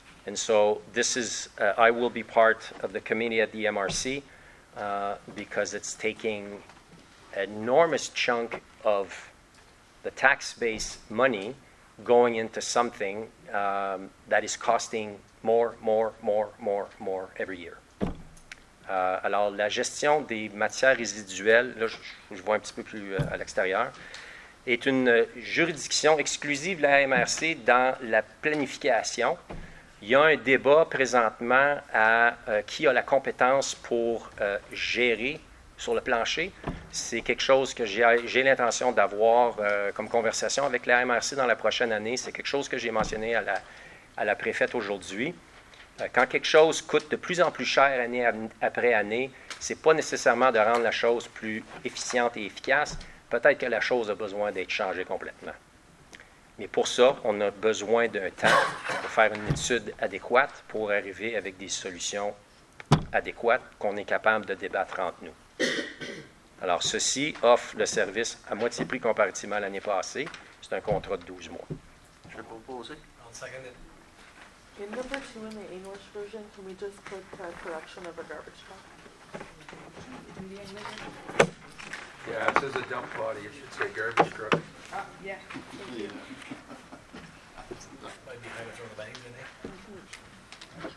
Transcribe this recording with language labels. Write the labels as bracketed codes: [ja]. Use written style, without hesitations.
[en] And so this is, I will be part of the committee at the MRC because it's taking an enormous chunk of the tax base money going into something that is costing more every year. [fr] Alors, la gestion des matières résiduelles, là, je vois un petit peu plus à l'extérieur, est une juridiction exclusive de la MRC dans la planification. Il y a un débat présentement à qui a la compétence pour gérer sur le plancher. C'est quelque chose que j'ai l'intention d'avoir comme conversation avec la MRC dans la prochaine année. C'est quelque chose que j'ai mentionné à la préfète aujourd'hui. Quand quelque chose coûte de plus en plus cher année après année, c'est pas nécessairement de rendre la chose plus efficiente et efficace. Peut-être que la chose a besoin d'être changée complètement. Mais pour ça, on a besoin d'un temps pour faire une étude adéquate pour arriver avec des solutions adéquates qu'on est capable de débattre entre nous. Alors, ceci offre le service à moitié prix comparativement à l'année passée. C'est un contrat de 12 mois. Je vais proposer. [en] In number two, in the English version, can we just put the correction of a garbage truck? Yeah, it says a dump body. It should say garbage truck. Might be kind of throw the bangs in there.